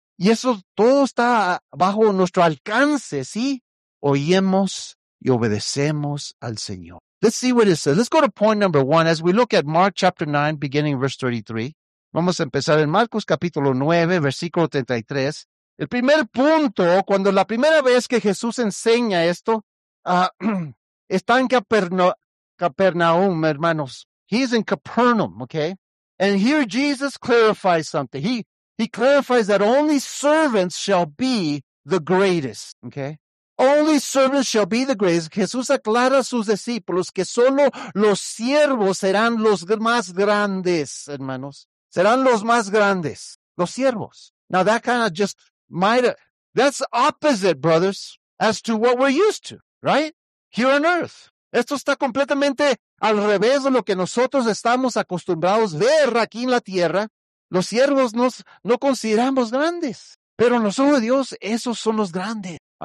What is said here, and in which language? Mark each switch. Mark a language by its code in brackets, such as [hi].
[es] Y eso todo está bajo nuestro alcance, ¿sí? Oímos y obedecemos al Señor. [en] Let's see what it says. Let's go to point number one as we look at Mark chapter 9, beginning verse 33. [es] Vamos a empezar en Marcos capítulo 9, versículo 33. El primer punto, cuando la primera vez que Jesús enseña esto, está en Capernaum, hermanos. [en] He's in Capernaum, okay? And here Jesus clarifies something. He clarifies that only servants shall be the greatest, okay? Only servants shall be the greatest. [es] Jesús aclara a sus discípulos que solo los siervos serán los más grandes, hermanos. Serán los más grandes, los siervos. [en] Now that kind of just that's opposite, brothers, as to what we're used to, right? Here on earth. [es] Esto está completamente al revés de lo que nosotros estamos acostumbrados a ver aquí en la tierra. Los siervos no consideramos grandes. Pero nosotros, Dios, esos son los grandes.